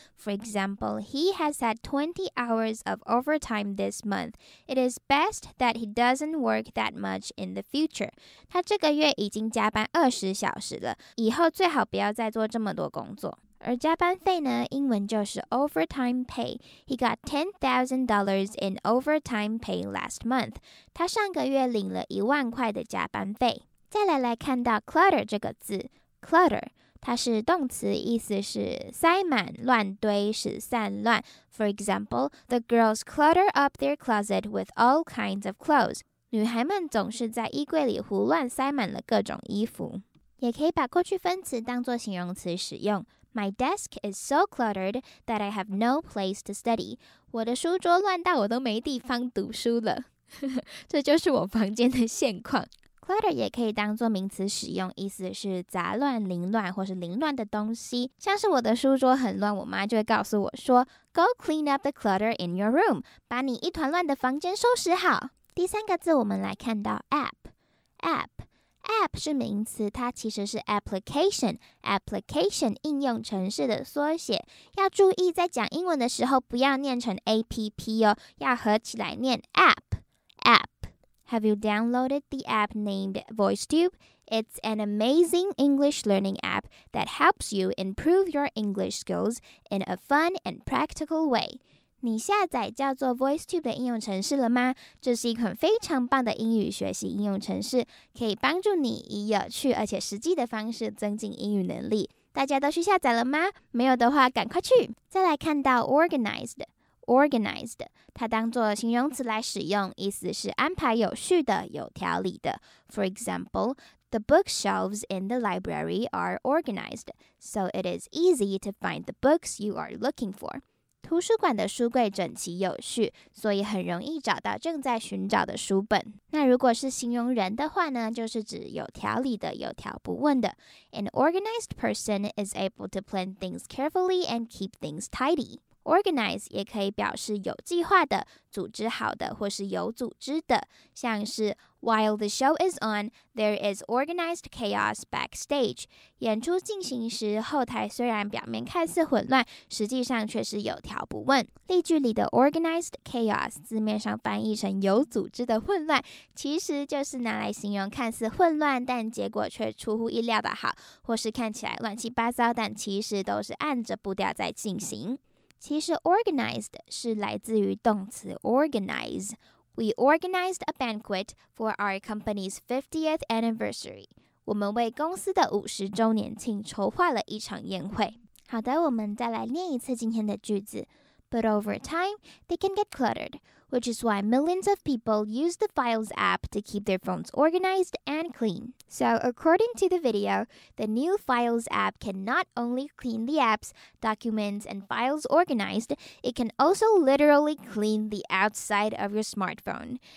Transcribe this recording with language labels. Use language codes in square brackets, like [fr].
[en] For example, he has had 20 hours of overtime this month. It is best that he doesn't work that much in the future. [zh] 他这个月已经加班20小时了，以后最好不要再做这么多工作。而加班费呢，英文就是 [en] overtime pay. He got $10,000 in overtime pay last month. [zh] 他上个月领了10,000块的加班费。再来来看到 clutter 这个字， clutter 它是动词，意思是塞满、乱堆、使散乱。 [en] For example, the girls clutter up their closet with all kinds of clothes. [zh] 女孩们总是在衣柜里胡乱塞满了各种衣服。也可以把过去分词当作形容词使用。 [en] My desk is so cluttered that I have no place to study. [zh] 我的书桌乱到我都没地方读书了。这就是我房间的现况。Clutter 也可以当作名词使用，意思是杂乱、凌乱或是凌乱的东西。像是我的书桌很乱，我妈就会告诉我说 [en] Go clean up the clutter in your room. [zh] 把你一团乱的房间收拾好。第三个字我们来看到 App 是名词，它其实是 application 应用程式的缩写。要注意在讲英文的时候不要念成 app 哦，要合起来念 app。 [en] Have you downloaded the app named VoiceTube? It's an amazing English learning app that helps you improve your English skills in a fun and practical way. [zh] 你下载叫做 VoiceTube 的应用程式了吗？这是一款非常棒的英语学习应用程式，可以帮助你以有趣而且实际的方式增进英语能力。大家都去下载了吗？没有的话赶快去。再来看到 Organized 它当作形容词来使用，意思是安排有序的、有条理的。 [en] For example, the bookshelves in the library are organized, so it is easy to find the books you are looking for. [zh] 图书馆的书柜整齐有序，所以很容易找到正在寻找的书本。那如果是形容人的话呢，就是指有条理的、有条不紊的。 [en] An organized person is able to plan things carefully and keep things tidy. [zh] Organize 也可以表示有计划的、组织好的或是有组织的，像是 [en] While the show is on, there is organized chaos backstage. [zh] 演出进行时，后台虽然表面看似混乱，实际上却是有条不紊。例句里的 organized chaos 字面上翻译成有组织的混乱，其实就是拿来形容看似混乱，但结果却出乎意料的好，或是看起来乱七八糟，但其实都是按着步调在进行。其实 organized 是来自于动词 organize。 [en] We organized a banquet for our company's 50th anniversary. [zh] 我们为公司的50周年庆筹划了一场宴会。好的，我们再来念一次今天的句子。 [en] But over time, they can get cluttered, which is why millions of people use the Files app to keep their phones organized and clean. So, according to the video, the new Files app can not only clean the apps, documents, and files organized, it can also literally clean the outside of your smartphone.